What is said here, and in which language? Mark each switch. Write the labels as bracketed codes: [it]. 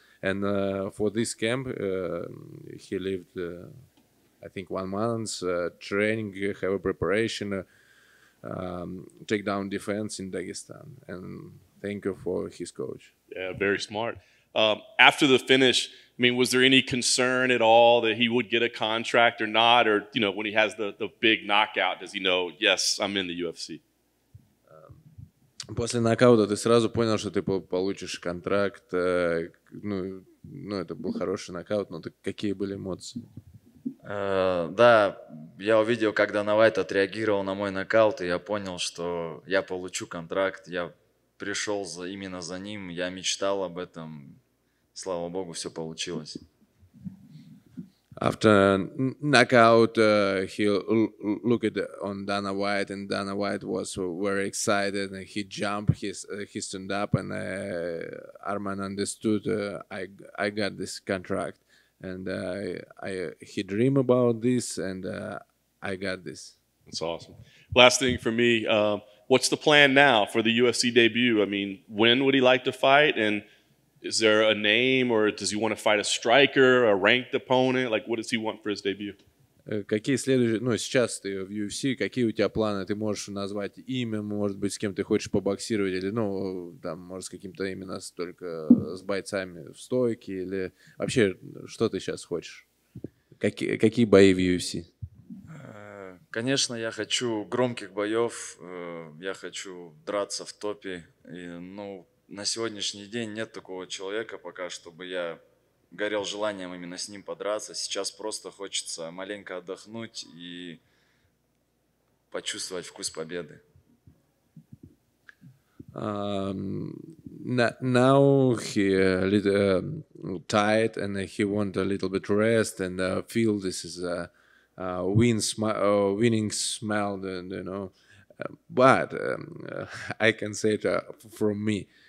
[en] And for this camp, he lived, I think, 1 month training, have a preparation, take down defense in Dagestan. And thank you for his coach. Yeah, very smart. After the finish, I mean, was there any concern at all that he would get a contract or not? Or, you know, when he has the big knockout, does he know, yes, I'm in the UFC? [ru] После нокаута ты сразу понял, что ты получишь контракт. Ну, это был хороший нокаут, но какие были эмоции? Да, я увидел, как Дана Вайт отреагировал на мой нокаут, и я понял, что я получу контракт, я пришел именно за ним, я мечтал об этом, слава богу, все получилось. [en] After knockout, he looked on Dana White, and Dana White was very excited, and he jumped, he stood up, and Armen understood, I got this contract. And he dream about this, and I got this. That's awesome. Last thing for me, what's the plan now for the UFC debut? I mean, when would he like to fight? And is there a name, or does he want to fight a striker, a ranked opponent? Like, what does he want for his debut? [ru] Какие следующие, ну, сейчас ты в UFC, какие у тебя планы? Ты можешь назвать имя, может быть, с кем ты хочешь побоксировать, или, ну, там, может, с каким-то именно только с бойцами в стойке, или вообще, что ты сейчас хочешь? Какие бои в UFC? Конечно, я хочу громких боев, я хочу драться в топе, и, ну, на сегодняшний день нет такого человека пока, чтобы я горел желанием именно с ним подраться. Сейчас просто хочется маленько отдохнуть и почувствовать вкус победы. [en] Now he little tired and he want a little bit rest and feel this is a winning smell, and, you know. But I can say it from me.